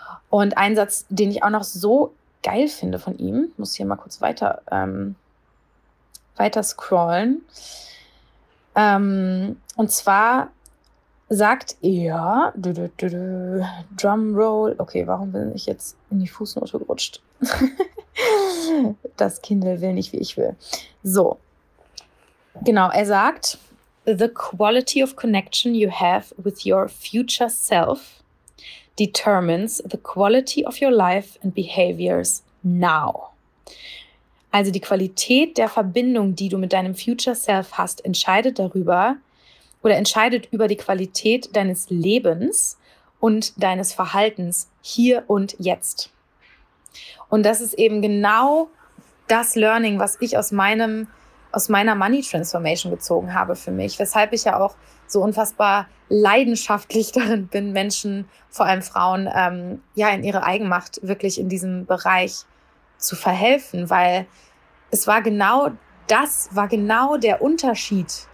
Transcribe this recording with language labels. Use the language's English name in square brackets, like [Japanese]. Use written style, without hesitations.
[German] Und ein Satz, den ich auch noch so geil finde von ihm, muss hier mal kurz weiter scrollen. Und zwar sagt er, Drumroll, okay, warum bin ich jetzt in die Fußnote gerutscht? Das Kindle will nicht, wie ich will. So, genau, er sagt, [English] the quality of connection you have with your future self determines the quality of your life and behaviors now. [German] Also die Qualität der Verbindung, die du mit deinem Future Self hast, entscheidet über die Qualität deines Lebens und deines Verhaltens hier und jetzt. Und das ist eben genau das Learning, was ich aus meiner Money Transformation gezogen habe für mich, weshalb ich ja auch so unfassbar leidenschaftlich darin bin, Menschen, vor allem Frauen, in ihre Eigenmacht wirklich in diesem Bereich zu verhelfen, weil das war genau der Unterschied,